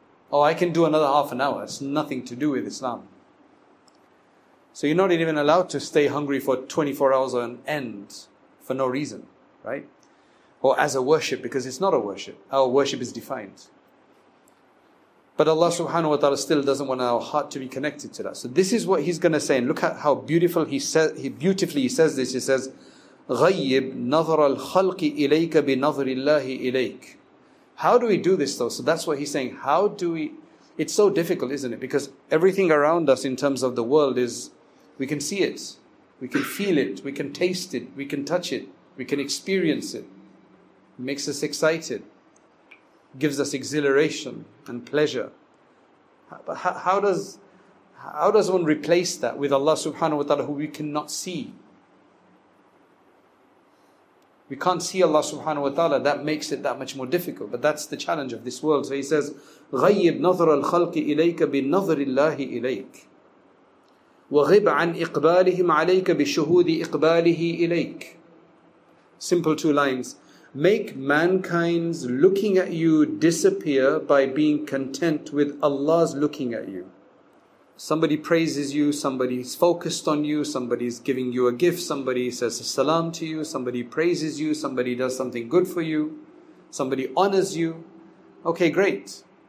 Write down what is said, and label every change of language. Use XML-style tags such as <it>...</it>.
<en>Oh, I can do another half an hour. It's nothing to do with Islam. So you're not even allowed to stay hungry for 24 hours on end for no reason, right? Or as a worship, because it's not a worship. Our worship is defined. But Allah subhanahu wa ta'ala still doesn't want our heart to be connected to that. So this is what he's going to say. And look at how beautiful he says this. He says,</en> <ar>غَيِّبْ نَظْرَ الْخَلْقِ إِلَيْكَ بِنَظْرِ اللَّهِ إِلَيْكَ.</ar> <en>How do we do this though? So that's what he's saying. How do we... It's so difficult, isn't it? Because everything around us in terms of the world is, we can see it, we can feel it, we can taste it, we can touch it, we can experience it. It makes us excited, gives us exhilaration and pleasure. But how does one replace that with Allah subhanahu wa ta'ala, who we cannot see? We can't see Allah subhanahu wa ta'ala. That makes it that much more difficult. But that's the challenge of this world. So he says,</en> <ar>غَيِّبْ نَظْرَ الْخَلْقِ إِلَيْكَ بِالنَّظْرِ اللَّهِ إِلَيْكَ وَغِبْ عَنْ إِقْبَالِهِمْ عَلَيْكَ بِشُهُودِ إِقْبَالِهِ إِلَيْكَ.</ar> <en>Simple two lines. Make mankind's looking at you disappear by being content with Allah's looking at you. Somebody praises you, somebody's focused on you, somebody's giving you a gift, somebody says a salam to you, somebody praises you, somebody does something good for you, somebody honors you. Okay, great.</en>